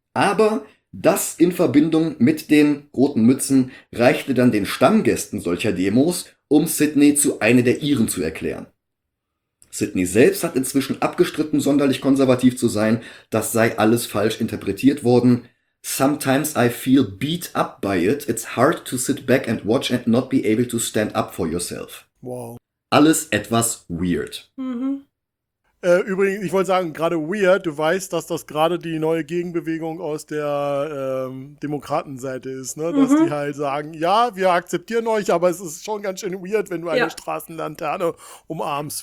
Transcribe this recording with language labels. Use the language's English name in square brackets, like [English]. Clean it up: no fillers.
[German] Aber das in Verbindung mit den roten Mützen reichte dann den Stammgästen solcher Demos, um Sydney zu einer der ihren zu erklären. Sydney selbst hat inzwischen abgestritten, sonderlich konservativ zu sein. Das sei alles falsch interpretiert worden. [English] Sometimes I feel beat up by it. It's hard to sit back and watch and not be able to stand up for yourself. Wow. [German] Alles etwas weird. Mhm. Übrigens, ich wollte sagen, gerade weird, du weißt, dass das gerade die neue Gegenbewegung aus der Demokratenseite ist, ne? Dass die halt sagen, ja, wir akzeptieren euch, aber es ist schon ganz schön weird, wenn du eine Straßenlaterne umarmst.